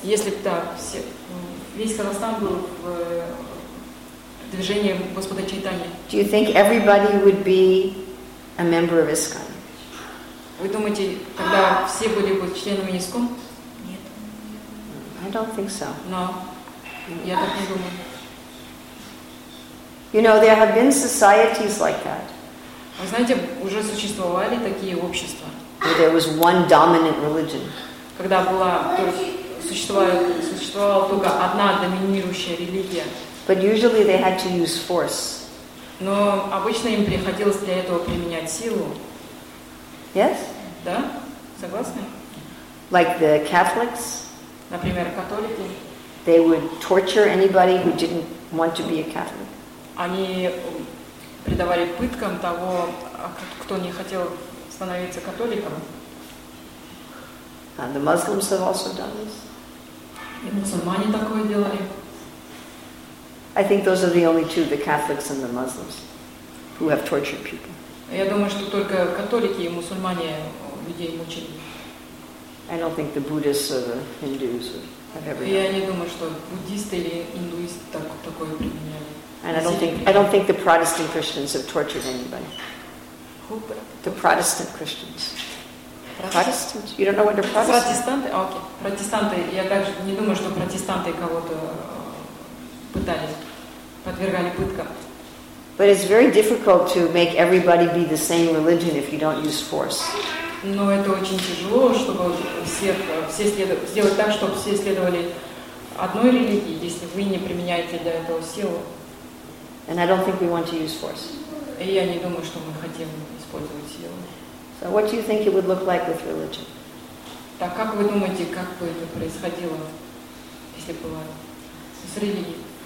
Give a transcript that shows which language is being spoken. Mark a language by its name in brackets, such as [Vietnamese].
[Russian] Если б так, весь Казахстан был в движении Господа Чайтаньи. [English] Do you think everybody would be a member of ISKCON? [Russian] Вы думаете, тогда все были бы членами ISKCON? [English] I don't think so. No. [Russian] Я так не думаю. [English] You know, there have been societies like that. [Russian] Вы знаете, уже существовали такие общества. [English] Where there was one dominant religion. [Russian] Когда была существовала только одна доминирующая религия. [English] But usually they had to use force. [Russian] Но обычно им приходилось для этого применять силу. [English] Yes? [Russian] Да? Согласны? [English] Like the Catholics? [Russian] Например, католики. [English] They would torture anybody who didn't want to be a Catholic. [Russian] Они предавали пыткам того, кто не хотел становиться католиком. [English] And the Muslims have also done this. [Russian] И мусульмане такое делали. [English] I think those are the only two, the Catholics and the Muslims, who have tortured people. [Russian] Я думаю, что только католики и мусульмане людей мучили. [English] I don't think the Buddhists or the Hindus have ever. [Russian] Я не думаю, что буддисты или индуисты так такое применяли. [English] And I don't think the Protestant Christians have tortured anybody. Who? The Protestant Christians. Protestants? You don't know what they're Protestant? [Russian] Протестанты? Окей. Протестанты. Я также не думаю, что протестанты кого-то пытались, подвергали пыткам. [English] But it's very difficult to make everybody be the same religion if you don't use force. [Russian] Но это очень тяжело, чтобы все сделать так, чтобы все следовали одной религии, если вы не применяете для этого силу. [English] And I don't think we want to use force. [Russian] И я не думаю, что мы хотим использовать силу. [English] So what do you think it would look like with religion? [Russian] Так как вы думаете, как бы это происходило, если бы было с религией?